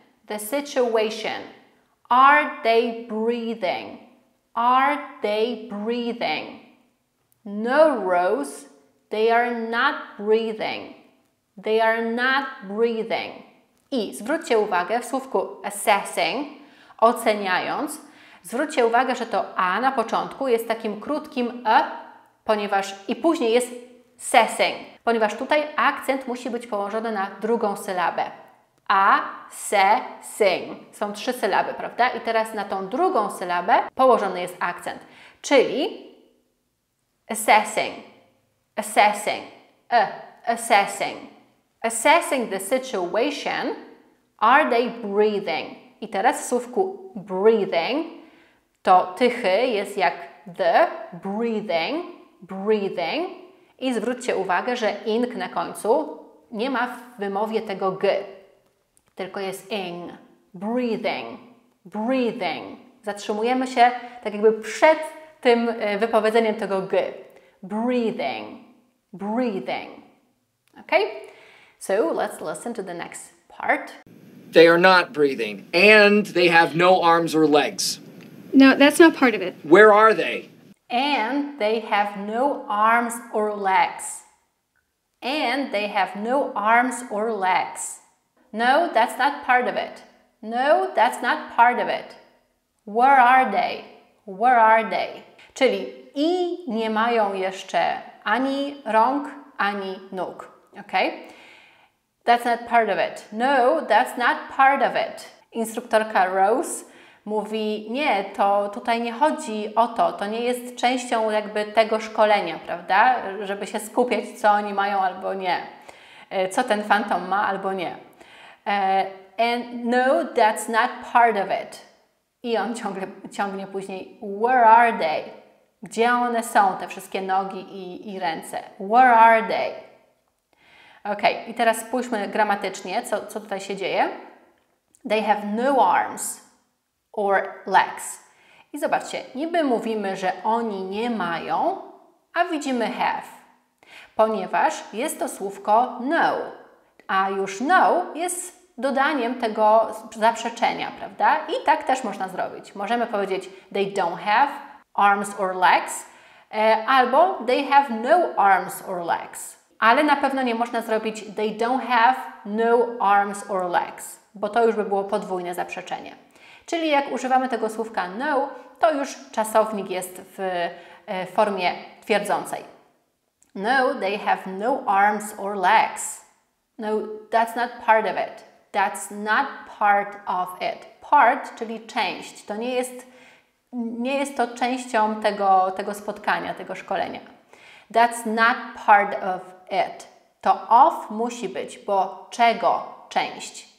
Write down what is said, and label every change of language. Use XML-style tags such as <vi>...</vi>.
<en>The situation. Are they breathing? Are they breathing? No, Rose, they are not breathing. They are not breathing.</en> <pl>I zwróćcie uwagę w słówku assessing, oceniając. Zwróćcie uwagę, że to a na początku jest takim krótkim a, ponieważ i później jest assessing, ponieważ tutaj akcent musi być położony na drugą sylabę. A, se, sing. Są trzy sylaby, prawda? I teraz na tą drugą sylabę położony jest akcent. Czyli assessing, assessing, a, assessing.</pl> <en>Assessing the situation, are they breathing?</en> <pl>I teraz w słówku breathing, to tychy jest jak the, breathing, breathing. I zwróćcie uwagę, że ing na końcu nie ma w wymowie tego g, tylko jest ing, breathing, breathing. Zatrzymujemy się tak jakby przed tym wypowiedzeniem tego g.</pl> <en>Breathing, breathing. Ok? So, let's listen to the next part. They are not breathing, and they have no arms or legs. No, that's not part of it. Where are they? And they have no arms or legs. And they have no arms or legs. No, that's not part of it. No, that's not part of it. Where are they? Where are they?</en> <pl>Czyli i nie mają jeszcze ani rąk, ani nóg, okay?</pl> <en>That's not part of it. No, that's not part of it.</en> <pl>Instruktorka Rose mówi, nie, to tutaj nie chodzi o to, to nie jest częścią jakby tego szkolenia, prawda? Żeby się skupiać, co oni mają albo nie. Co ten fantom ma albo nie.</pl> <en>And no, that's not part of it.</en> <pl>I on ciągnie później,</pl> <en>where are they?</en> <pl>Gdzie one są, te wszystkie nogi i ręce?</pl> <en>Where are they?</en> <pl>Ok, i teraz spójrzmy gramatycznie, co tutaj się dzieje.</pl> <en>They have no arms or legs.</en> <pl>I zobaczcie, niby mówimy, że oni nie mają, a widzimy have, ponieważ jest to słówko no, a już no jest dodaniem tego zaprzeczenia, prawda? I tak też można zrobić. Możemy powiedzieć</pl> <en>they don't have arms or legs,</en> <pl>albo</pl> <en>they have no arms or legs.</en> <pl>Ale na pewno nie można zrobić</pl> <en>they don't have no arms or legs,</en> <pl>bo to już by było podwójne zaprzeczenie. Czyli jak używamy tego słówka no, to już czasownik jest w formie twierdzącej.</pl> <en>No, they have no arms or legs. No, that's not part of it. That's not part of it. Part,</en> <pl>czyli część. To nie jest nie jest to częścią tego spotkania, tego szkolenia.</pl> <en>That's not part of it.</en> <pl>To of musi być, bo czego część?</pl>